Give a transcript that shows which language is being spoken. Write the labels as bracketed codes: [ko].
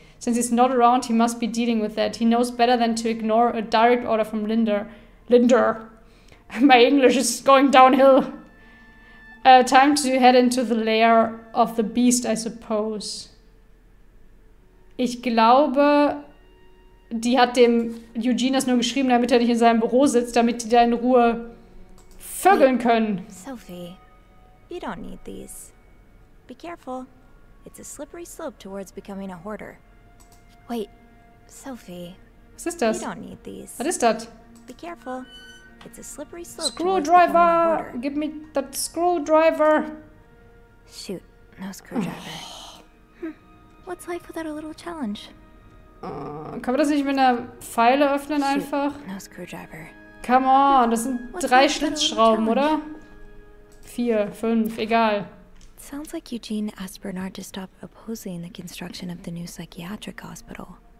[en] Since he's not around, he must be dealing with that. He knows better than to ignore a direct order from Linda. Linda! My English is going downhill! Time to head into the lair of the beast, I suppose. [de] Ich glaube, die hat dem Eugene das nur geschrieben, damit er nicht in seinem Büro sitzt, damit die da in Ruhe vögeln können. [en] Sophie, you don't need these. Be careful. It's a slippery slope towards becoming a hoarder. Wait, Sophie. [de] Was ist das? [en] You don't need these. [de] Was ist das? [en] Be careful. It's a slippery slope. Screwdriver! Give me that screwdriver! Shoot, no screwdriver. What's life without a little challenge? [de] Kann man das nicht mit einer Pfeile öffnen [en] Shoot. [de] Einfach? [en] No screwdriver. Come on, [de] das sind What's drei Schlitzschrauben, oder? Vier, fünf, egal. [en] Sounds like Eugene asked Bernard to stop opposing the construction of the new psychiatric hospital.